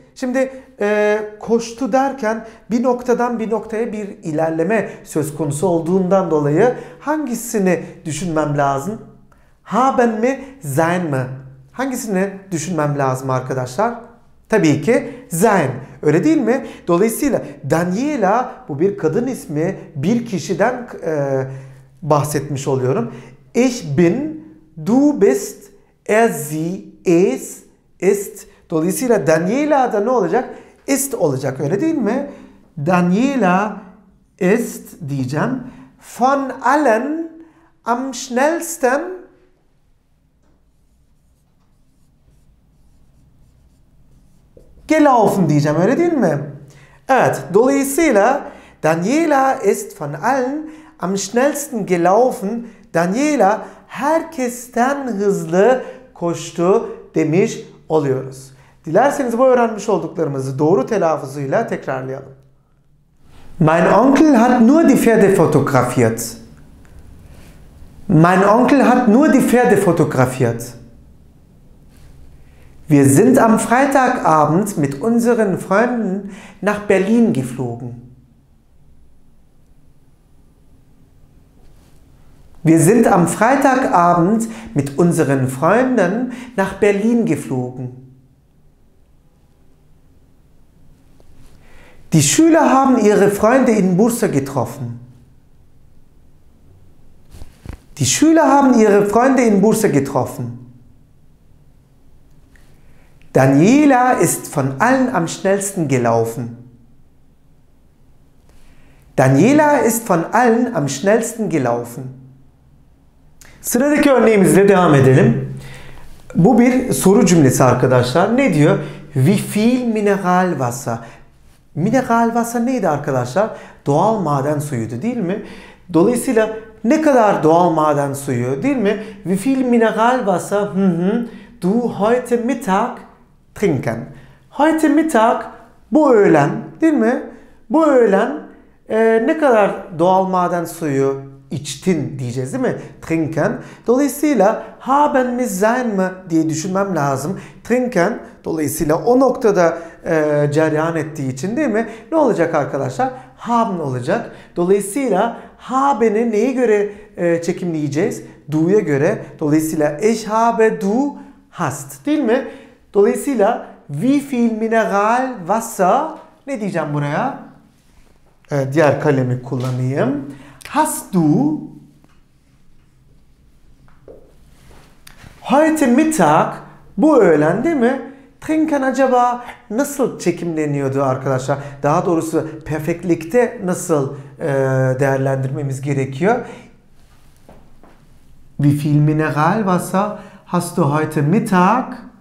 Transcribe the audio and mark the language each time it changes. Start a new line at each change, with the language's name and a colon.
Turkish: Şimdi koştu derken bir noktadan bir noktaya bir ilerleme söz konusu olduğundan dolayı hangisini düşünmem lazım? Haben mi, sein mi? Hangisini düşünmem lazım arkadaşlar? Tabii ki sein. Öyle değil mi? Dolayısıyla Daniela bu bir kadın ismi, bir kişiden bahsetmiş oluyorum.
German: Ich bin, du bist, er, sie, es, ist.
Turkish: Dolayısıyla Daniela da ne olacak? Ist olacak, öyle değil mi? Daniela ist diyeceğim.
German: Von allen am schnellsten gelaufen
Turkish: diyeceğim, öyle değil mi? Evet, dolayısıyla
German: Daniela ist von allen am schnellsten gelaufen.
Turkish: Daniela herkesten hızlı koştu demiş oluyoruz. Dilerseniz bu öğrenmiş olduklarımızı doğru telaffuzuyla tekrarlayalım.
German: Mein Onkel hat nur die Pferde fotografiert. Mein Onkel hat nur die Pferde fotografiert. Wir sind am Freitagabend mit unseren Freunden nach Berlin geflogen. Wir sind am Freitagabend mit unseren Freunden nach Berlin geflogen. Die Schüler haben ihre Freunde in Bursa getroffen. Die Schüler haben ihre Freunde in Bursa getroffen. Daniela ist von allen am schnellsten gelaufen. Daniela ist von allen am schnellsten gelaufen.
Turkish: Sıradaki örneğimizle devam edelim. Bu bir soru cümlesi arkadaşlar. Ne diyor?
German: Wie viel Mineralwasser?
Turkish: Mineralwasser neydi arkadaşlar? Doğal maden suyuydu, değil mi? Dolayısıyla ne kadar doğal maden suyu, değil mi?
German: Wie viel Mineralwasser du heute Mittag trinken? Heute Mittag,
Turkish: bu öğlen, değil mi? Bu öğlen ne kadar doğal maden suyu içtin diyeceğiz, değil mi? Trinken. Dolayısıyla haben mi sein mi diye düşünmem lazım. Trinken. Dolayısıyla o noktada cereyan ettiği için, değil mi? Ne olacak arkadaşlar? Haben olacak. Dolayısıyla haben'i neye göre çekimleyeceğiz? Du'ya göre. Dolayısıyla
German: ich habe du hast,
Turkish: değil mi? Dolayısıyla
German: wie viel mineral Wasser,
Turkish: ne diyeceğim buraya? Diğer kalemi kullanayım.
German: Hast du heute Mittag,
Turkish: bu öğlen, değil mi? Trinken acaba nasıl çekimleniyordu arkadaşlar? Daha doğrusu perfektlikte nasıl değerlendirmemiz gerekiyor?
German: Wie viel Mineralwasser hast du heute Mittag?